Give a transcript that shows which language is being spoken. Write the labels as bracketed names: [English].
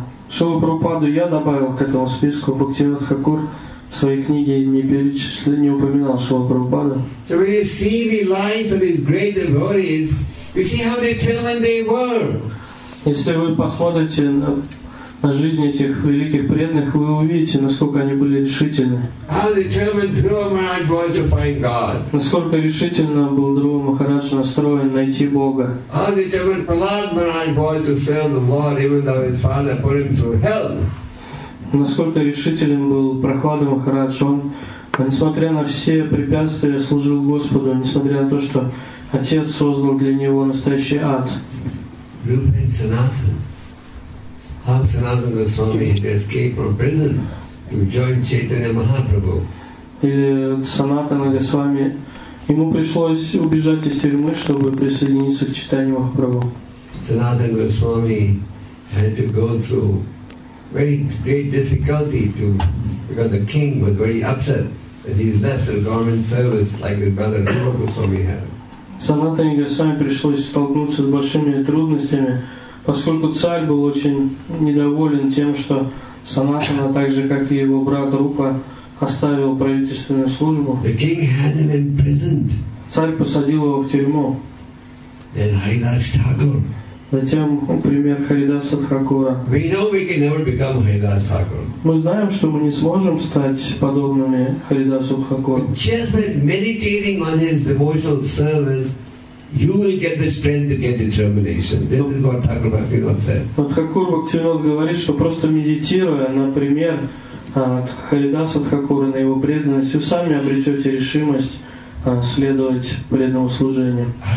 [Russian] Шила Прабхупаду я добавил к этому списку. Бхактивинода Хакур в своей книге не перечислил, не упоминал Шила Прабхупаду. [English] So when you see the lives of these great devotees, you see how determined they were. [Russian] Если вы посмотрите на жизнь этих великих преданных, вы увидите, насколько они были решительны. [English] How determined Dhruva Maharaj was to find God. [Russian] Насколько решительно был Дхрува Махарадж настроен найти Бога. [English] How determined Prahlada Maharaj was to serve the Lord, even though his father put him through hell. [Russian] Насколько решителен был Прохлада Махарадж, он, несмотря на все препятствия, служил Господу, несмотря на то, что Отец создал для него настоящий ад. [English] Rupa and Sanatana. How Sanatana Goswami had escaped from prison to join Chaitanya Mahaprabhu. [Russian] Или Санатана Госвами, ему пришлось убежать из тюрьмы, чтобы присоединиться к Чайтанье Махапрабху. [English] Sanatana Goswami had to go through very great difficulty to, because the king was very upset that he left the government service like his brother Rupa Goswami had. [Russian] Санатане Госвами пришлось столкнуться с большими трудностями, поскольку царь был очень недоволен тем, что Санатана, так же как и его брат Рупа, оставил правительственную службу. [English] The king had him imprisoned. [Russian] Царь посадил его в тюрьму. [English] Then Haridas Thakur. [Russian] Затем пример Харидаса Тхакура. [English] We know we can never become Haridas Thakur. [Russian] Мы знаем, что мы не сможем стать подобными Харидасу Тхакуру. [English] Just by meditating on his devotional service, you will get the strength to get determination. This is what Thakur Bhaktivinoda said. [Russian] Тхакур Бхактивинода говорит, что просто медитируя, например, Харидаса Тхакуры, на его преданность, вы сами обретете решимость следовать преданному служению.